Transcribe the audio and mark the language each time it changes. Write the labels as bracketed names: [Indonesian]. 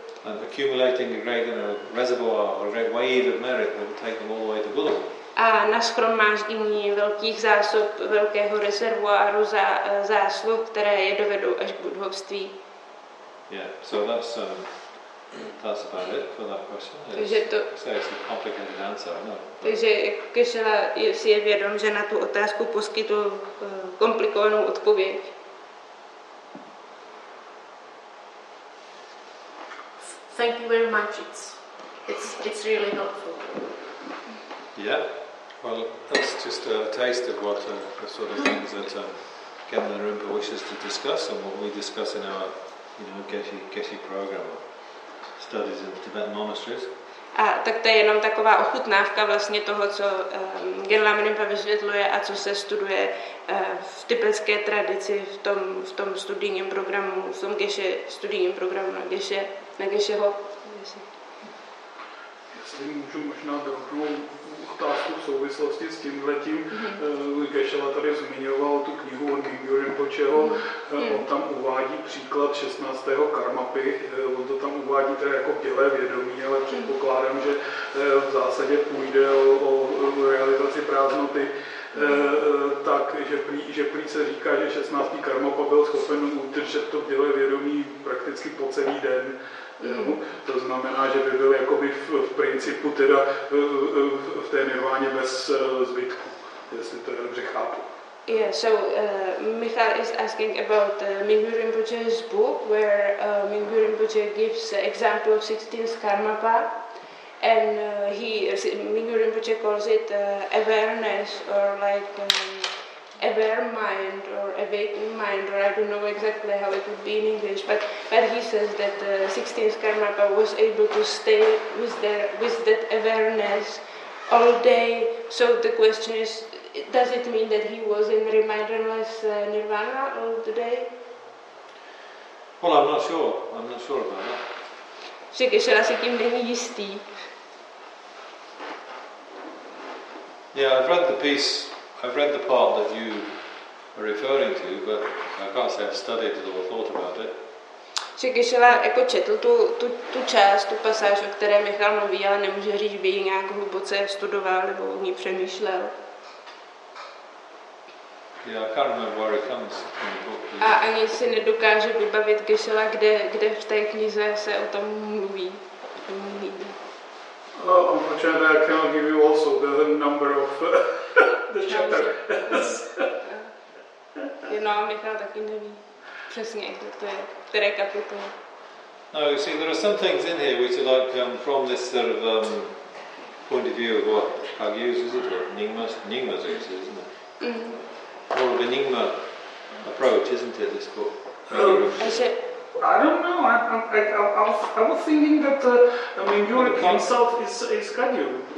[English] And accumulating a great reservoir or a great wave of merit that will take them all the way to Buddha. [Czech] A nashromáždění velkých zásob, velkého rezervoáru zásluh, které je dovedou až k budhovství. [English] Yeah, so that's about it for that question. It's a complicated answer, I know. [Czech] Takže Kešela si je vědom, že na tu otázku poskytl komplikovanou odpověď. [English] Thank you very much. It's really helpful. Yeah, well, that's just a taste of what the sort of things that Kenlin Rinpoche wishes to discuss and what we discuss in our, you know, Geshe program, studies in Tibetan monasteries. [Czech] A tak to je jenom taková ochutnávka vlastně toho, co Genlam Rinpa vysvětluje a co se studuje v tibetské tradici v tom studijním programu, v tom Geshe studijním programu na Geshe, na Gesheho. Jestli můžu možná druhou otázku v souvislosti s tímhletím, Geshela tady zmiňoval tu knihu od Bibio Rinpocheho, on tam uvádí příklad 16. karmapy, on to tam uvádí teda jako bělé vědomí, ale předpokládám, že v zásadě půjde o realizaci prázdnoty, tak, že prý se říká, že 16. karmapa byl schopen udržet to bělé vědomí prakticky po celý den. To znamená, že by byl jakoby v principu teda v té nirváně bez zbytku, jestli to dobře chápu. [English] Yeah, so Michal is asking about Mingyur Rinpoche's book, where Mingyur Rinpoche gives an example of 16th karmapa, and Mingyur Rinpoche calls it awareness, or like aware mind, or awakened mind, or I don't know exactly how it would be in English, but he says that the 16th karmapa was able to stay with that awareness all day. So the question is, does it mean that he was in reminderless nirvana all the day? Well, I'm not sure about that. [Czech] Že Kešela si tím není jistý. [English] Yeah, I've read the part that you are referring to, but I can't say I've studied it or thought about it. [Czech] Že Kešela jako četl tu část, tu pasáž, o které Michal mluví, ale nemůže říct, by ji nějak hluboce studoval nebo o ní přemýšlel. [English] Yeah, I can't remember where it comes from the book. [Czech] A ani si nedokáže vybavit Kešela, kde v té knize se o tom mluví. [English] Unfortunately, I cannot give you also the number of the chapter. [Czech] No, Michal taky neví přesně, které kapitoly. [English] No, you see, there are some things in here which are like from this sort of point of view of what Hagius is, or Nyingma is, isn't it? More of an Nyingma approach, isn't it, this book? I don't know. I was thinking that Mingyur himself is Kagyu.